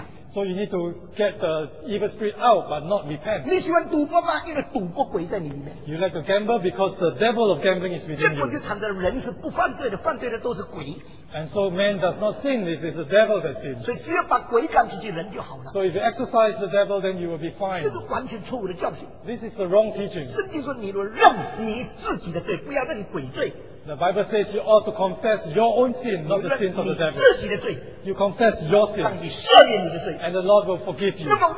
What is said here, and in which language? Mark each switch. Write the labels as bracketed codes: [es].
[en] So you need to get the evil spirit out, but not repent. [zh] 你喜欢赌博吗?因为赌博鬼在你里面。 [en] You like to gamble because the devil of gambling is within you. [zh] 结果就躺着人是不犯罪的, 犯罪的都是鬼。 [en] And so man does not sin, it is the devil that sins. [zh] 所以只要把鬼赶出去, 人就好了。 [en] So if you exercise the devil, then you will be fine. [zh] 这是完全错误的教训。 [en] This is the wrong teaching. [zh] 圣经说你若认你自己的罪, 不要认鬼罪。 [en] The Bible says you ought to confess your own sin, not the sins of the devil. You confess your sin, and the Lord will forgive you.